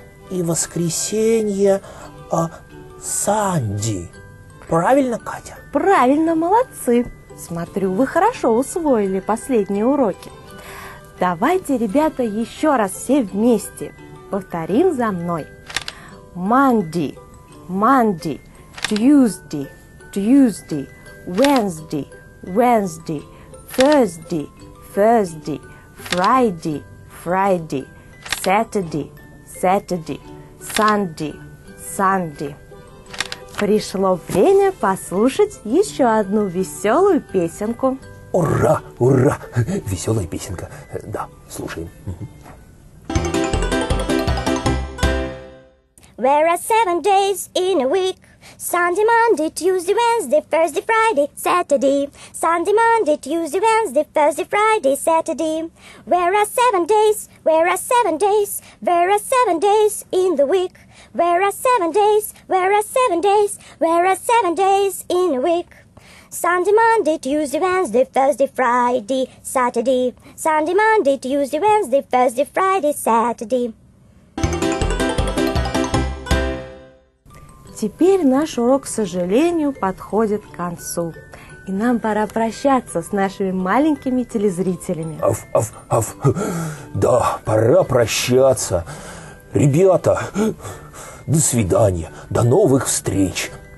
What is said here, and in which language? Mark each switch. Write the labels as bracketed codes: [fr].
[ru] И воскресенье – Sunday. Правильно, Катя? Правильно, молодцы. Смотрю, вы хорошо усвоили последние уроки. Давайте, ребята, еще раз все вместе повторим за мной. [en] Monday, Monday, Tuesday, Tuesday, Wednesday, Wednesday, Thursday, Thursday, Friday, Friday, Saturday, Saturday, Sunday, Sunday. [ru] Пришло время послушать еще одну веселую песенку. Ура, ура! Веселая песенка. Да, слушаем. [en] There are 7 days in a week. Sunday, Monday, Tuesday, Wednesday, Thursday, Friday, Saturday. Sunday, Monday, Tuesday, Wednesday, Thursday, Friday, Saturday. Where are 7 days? Where are 7 days? Where are 7 days in the week? Where are 7 days? Where are 7 days? Where are 7 days in a week? Sunday, Monday, Tuesday, Wednesday, Thursday, Friday, Saturday. Sunday, Monday, Tuesday, Wednesday, Thursday, Friday, Saturday. [ru] Теперь наш урок, к сожалению, подходит к концу. И нам пора прощаться с нашими маленькими телезрителями. Аф-аф-аф. Да, пора прощаться. Ребята, до свидания. До новых встреч.